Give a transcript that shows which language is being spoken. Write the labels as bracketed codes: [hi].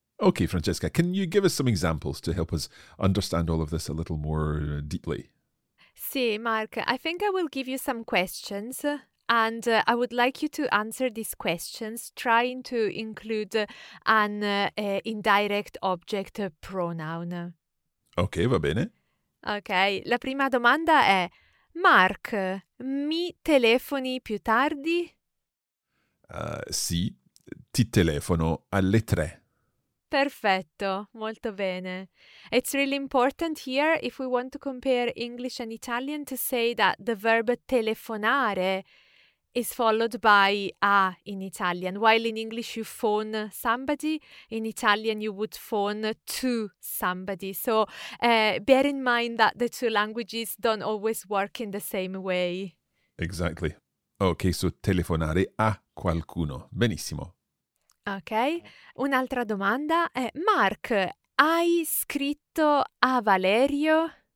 [en] Okay, Francesca, can you give us some examples to help us understand all of this a little more deeply? See, Mark, I think I will give you some questions and I would like you to answer these questions trying to include an indirect object pronoun. [it] Ok, va bene. Ok, la prima domanda è: Mark, mi telefoni più tardi? Sì, ti telefono alle 3. Perfetto, molto bene. [en] It's really important here, if we want to compare English and Italian, to say that the verb telefonare is followed by a in Italian. While in English you phone somebody, in Italian you would phone to somebody. So bear in mind that the two languages don't always work in the same way. Exactly. Okay, so [it] telefonare a qualcuno. Benissimo. Ok, un'altra domanda è: Mark, hai scritto a Valerio?